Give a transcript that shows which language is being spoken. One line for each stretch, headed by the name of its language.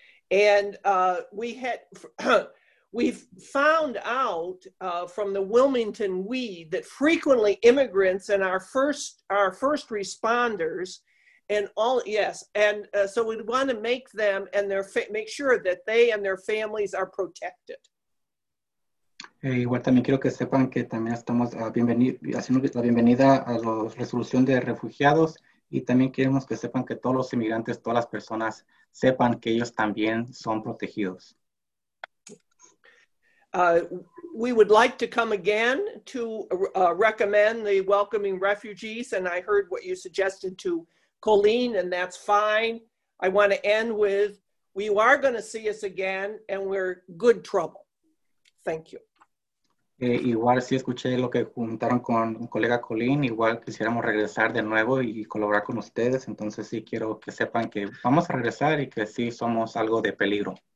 English: And we've found out from the Wilmington Weed that frequently immigrants and our first responders, and all yes, and so we want to make them and their make sure that they and their families are protected.
Spanish: Igual también quiero que sepan que también estamos haciendo la bienvenida a la resolución de refugiados, y también queremos que sepan que todos los inmigrantes, todas las personas, sepan que ellos también son protegidos.
English: We would like to come again to recommend the welcoming refugees, and I heard what you suggested to Colleen, and that's fine. I want to end with, you are going to see us again, and we're good trouble. Thank you.
Spanish: Igual sí escuché lo que juntaron con un colega Colleen, igual quisiéramos regresar de nuevo y colaborar con ustedes, entonces sí quiero que sepan que vamos a regresar y que sí somos algo de peligro.